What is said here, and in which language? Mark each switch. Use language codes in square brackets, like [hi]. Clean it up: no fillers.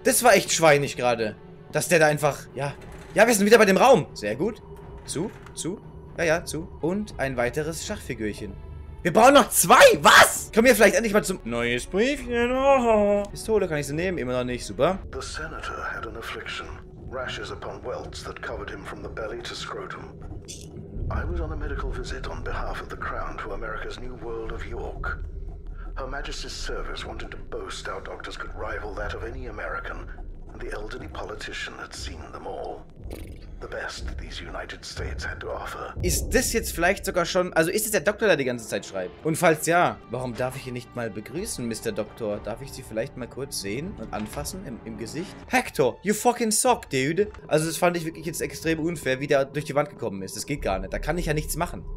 [de] Das war echt schweinig gerade. Dass der da einfach... Ja. Ja, wir sind wieder bei dem Raum. Sehr gut. Zu. Ja, ja, zu. Und ein weiteres Schachfigürchen. Wir brauchen noch zwei! Was? Kommen wir vielleicht endlich mal zum... Neues Briefchen! Pistole kann ich sie nehmen, immer noch nicht. Super. [en] The Senator had an affliction. Rashes upon welts that covered him from the belly to scrotum. I was on a medical visit on behalf of the Crown to America's new world of York. Her Majesty's service wanted to boast our doctors could rival that of any American, and the elderly politician had seen them all. The best these United States had to offer. [de] Ist das jetzt vielleicht sogar schon... Also ist es der Doktor, der die ganze Zeit schreibt? Und falls ja, warum darf ich ihn nicht mal begrüßen, Mr. Doktor? Darf ich sie vielleicht mal kurz sehen und anfassen im Gesicht? [en] Hector, you fucking suck, dude. [de] Also das fand ich wirklich jetzt extrem unfair, wie der durch die Wand gekommen ist. Das geht gar nicht. Da kann ich ja nichts machen.